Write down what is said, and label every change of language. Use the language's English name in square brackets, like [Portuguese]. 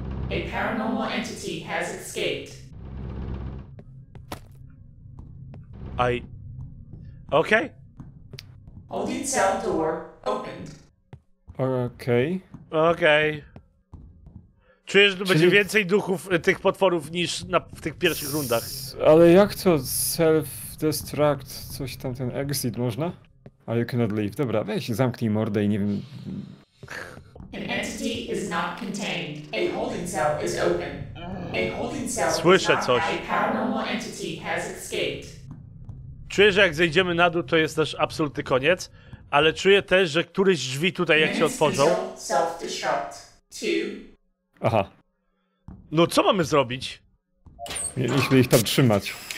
[English] A paranormal entity has escaped. I... Okay. Holding cell door opened. Okay. Okay. [Polish] Czujesz, że będzie więcej duchów tych potworów niż w tych pierwszych rundach. Ale jak to? Self-destruct, coś tam, ten exit można? A [English] you cannot leave. [Polish] Dobra, weź, zamknij mordę i nie wiem... [English] An entity is not contained. A holding cell is open. A holding cell [Polish] Słyszę [English] is not [Polish] coś. [English] A paranormal entity has escaped. [Polish] Czujesz, że jak zejdziemy na dół, to jest nasz absolutny koniec, ale czuję też, że któreś drzwi tutaj jak się otworzą... [English] Self-destruct. Two. Aha. [Polish] No co mamy zrobić? Mieliśmy ich tam trzymać.